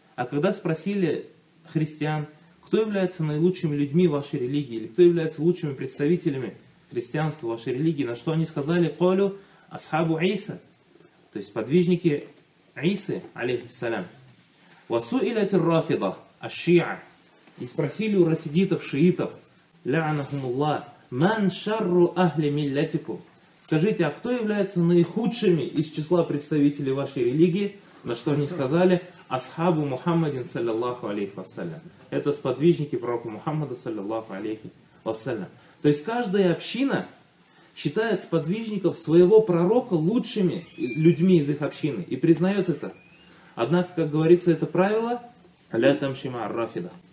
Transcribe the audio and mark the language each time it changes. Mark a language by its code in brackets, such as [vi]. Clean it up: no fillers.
[ru] А когда спросили христиан, кто является наилучшими людьми вашей религии, или кто является лучшими представителями христианства вашей религии, на что они сказали, [ar] колю асхабу Иса, [ru] то есть подвижники Исы, алейхиссалям. [ar] وَسُئِلَتِ الرَّافِضَ الشِّيعَ. [ru] И спросили у рафидитов, шиитов, [ar] لَعَنَهُمُ اللَّهُ مَنْ شَرُّ أَهْلِ مِلَّتِكُمْ. [ru] Скажите, а кто является наихудшими из числа представителей вашей религии? На что они сказали, [ar] أَصْحَابُ مُحَمَّدٍ صَلَّى اللَّهُ عَلَيْهِ وَسَّلَّمُ. [ru] Это сподвижники пророка Мухаммада, саллиллаху алейхи вассаляму. То есть каждая община считает сподвижников своего пророка лучшими людьми из их общины и признает это. Однако, как говорится, это правило «ля тамшима ар-рафида».